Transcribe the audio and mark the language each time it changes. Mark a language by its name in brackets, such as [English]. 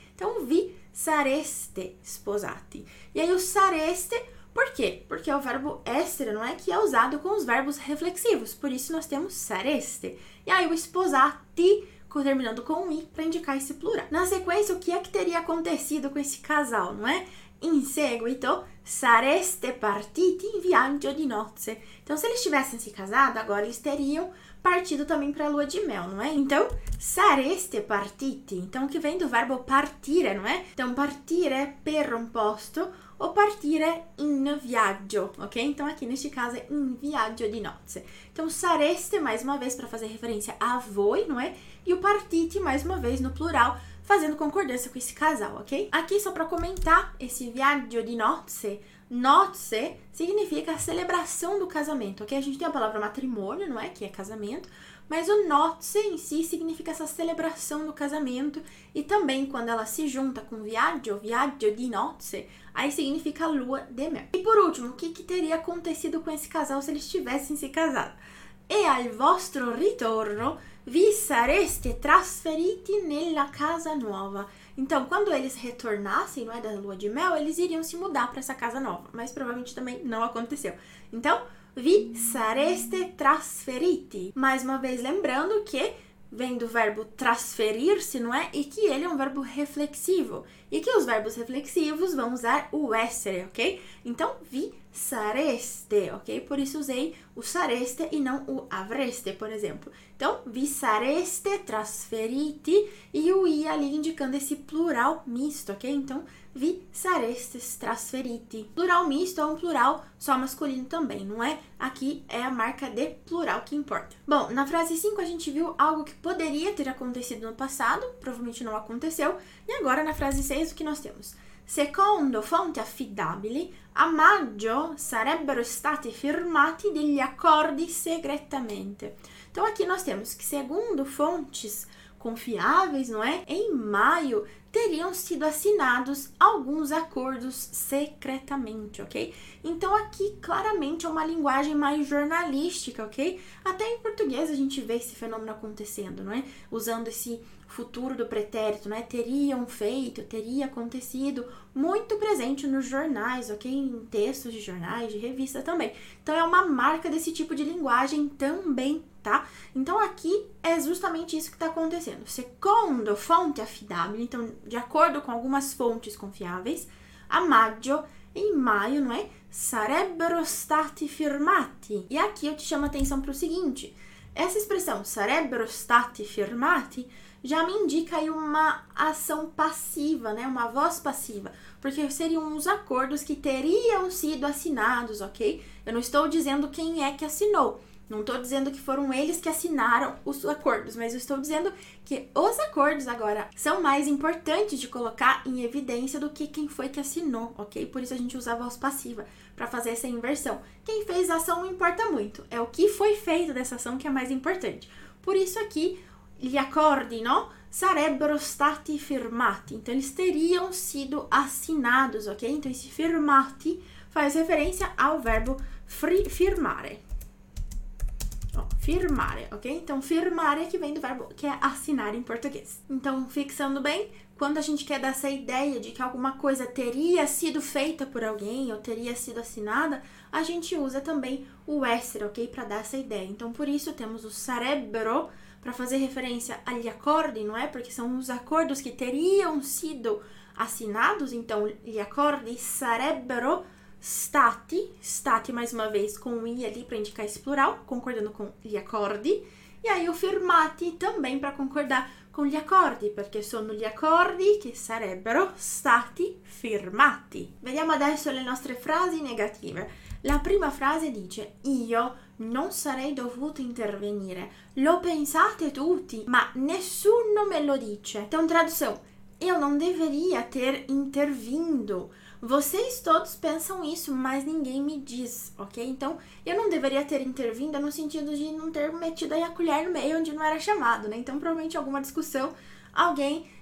[Portuguese] Então, [Italian] vi sareste sposati. [Portuguese] E aí, o sareste, por quê? Porque é o verbo essere, não é? Que é usado com os verbos reflexivos. Por isso, nós temos sareste. E aí, o sposati, terminando com um i, para indicar esse plural. Na sequência, o que é que teria acontecido com esse casal, não é? [Italian] In seguito, sareste partiti in viaggio di nozze. [Portuguese] Então, se eles tivessem se casado, agora eles teriam partido também para a lua de mel, não é? Então, sareste partiti. Então, que vem do verbo partire, não é? Então, partire per un posto ou partire in viaggio, ok? Então, aqui neste caso é [Italian] in viaggio di nozze. [Portuguese] Então, sareste, mais uma vez, para fazer referência a voi, não é? E o partiti, mais uma vez, no plural, fazendo concordância com esse casal, ok? Aqui, só para comentar, esse viaggio di nozze, nozze significa a celebração do casamento, ok? A gente tem a palavra matrimônio, não é? Que é casamento. Mas o nozze em si significa essa celebração do casamento. E também, quando ela se junta com viaggio, [Italian] viaggio di nozze, [Portuguese] aí significa lua de mel. E por último, o que, que teria acontecido com esse casal se eles tivessem se casado? [Italian] E al vostro ritorno, vi sareste trasferiti nella casa nuova. [Portuguese] Então, quando eles retornassem, não é, da lua de mel, eles iriam se mudar para essa casa nova. Mas provavelmente também não aconteceu. Então, [Italian] vi sareste trasferiti. [Portuguese] Mais uma vez, lembrando que vem do verbo trasferir-se, não é? E que ele é um verbo reflexivo. E que os verbos reflexivos vão usar o essere, ok? Então, vi sareste, ok? Por isso usei o sareste e não o avreste, por exemplo. Então, [Italian] vi sareste trasferiti [Portuguese] e o i ali indicando esse plural misto, ok? [Italian] Então, vi sareste trasferiti. [Portuguese] Plural misto é um plural só masculino também, não é? Aqui é a marca de plural que importa. Bom, na frase 5 a gente viu algo que poderia ter acontecido no passado, provavelmente não aconteceu, e agora na frase 6 o que nós temos? [Italian] Secondo fonti affidabili, a maggio sarebbero stati firmati degli accordi segretamente. [Portuguese] Então, aqui nós temos que, segundo fontes confiáveis, não é? Em maio, teriam sido assinados alguns acordos secretamente, ok? Então, aqui, claramente, é uma linguagem mais jornalística, ok? Até em português a gente vê esse fenômeno acontecendo, não é? Usando esse futuro do pretérito, né? Teriam feito, teria acontecido, muito presente nos jornais, ok? Em textos de jornais, de revista também. Então, é uma marca desse tipo de linguagem também, tá? Então, aqui é justamente isso que está acontecendo. Segundo fonte affidabile, então, de acordo com algumas fontes confiáveis, a maggio, em maio, não é? [Italian] Sarebbero stati firmati. [Portuguese] E aqui eu te chamo a atenção para o seguinte. Essa expressão, [Italian] sarebbero stati firmati, [Portuguese] já me indica aí uma ação passiva, né? Uma voz passiva. Porque seriam os acordos que teriam sido assinados, ok? Eu não estou dizendo quem é que assinou. Não estou dizendo que foram eles que assinaram os acordos, mas eu estou dizendo que os acordos agora são mais importantes de colocar em evidência do que quem foi que assinou, ok? Por isso a gente usa a voz passiva para fazer essa inversão. Quem fez a ação não importa muito, é o que foi feito dessa ação que é mais importante. Por isso aqui, [Italian] gli accordi, [Portuguese] no? [Italian] Sarebbero stati firmati. [Portuguese] Então, eles teriam sido assinados, ok? Então, esse firmati faz referência ao verbo firmare. Firmare, ok? Então, firmare que vem do verbo que é assinar em português. Então, fixando bem, quando a gente quer dar essa ideia de que alguma coisa teria sido feita por alguém ou teria sido assinada, a gente usa também o essere, ok? Para dar essa ideia. Então, por isso, temos o sarebbero para fazer referência agli accordi, não é? Porque são os acordos que teriam sido assinados. Então, [Italian] gli accordi sarebbero stati, [Portuguese] mais uma vez, com um i ali para indicar esse plural, concordando com gli accordi. E aí, o firmati também para concordar com [Italian] gli accordi, perché sono gli accordi che sarebbero stati firmati. Vediamo adesso le nostre frasi negative. La prima frase dice, io non sarei dovuto intervenire. Lo pensate tutti, ma nessuno me lo dice. [Portuguese] Então, tradução, io non deveria ter intervindo. Vocês todos pensam isso, mas ninguém me diz, ok? Então, eu não deveria ter intervindo no sentido de não ter metido aí a colher no meio onde não era chamado, né? Então, provavelmente alguma discussão, alguém